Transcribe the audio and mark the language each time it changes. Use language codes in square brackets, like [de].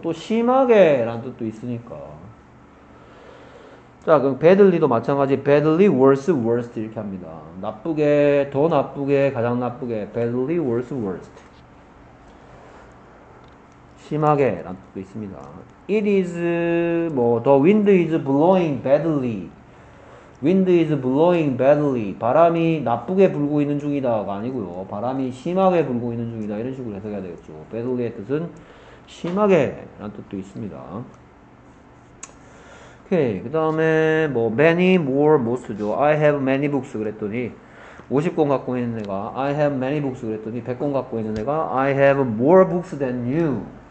[ko] 또 심하게란 뜻도 있으니까. 자, 그럼 badly도 마찬가지. badly, worse, worst 이렇게 합니다. 나쁘게, 더 나쁘게, 가장 나쁘게. [en] badly, worse, worst. [ko] 심하게란 뜻도 있습니다. [en] It is, [ko] 뭐, [en] the wind is blowing badly. wind is blowing badly. [ko] 바람이 나쁘게 불고 있는 중이다가 아니고요. 바람이 심하게 불고 있는 중이다. 이런 식으로 해석해야 되겠죠. badly의 뜻은 심하게라는 뜻도 있습니다. 오케이. 그 다음에 뭐 many, more, most죠. [en] I have many books [ko] 그랬더니 50권 갖고 있는 애가 [en] I have many books [ko] 그랬더니 100권 갖고 있는 애가 [en] I have more books than you.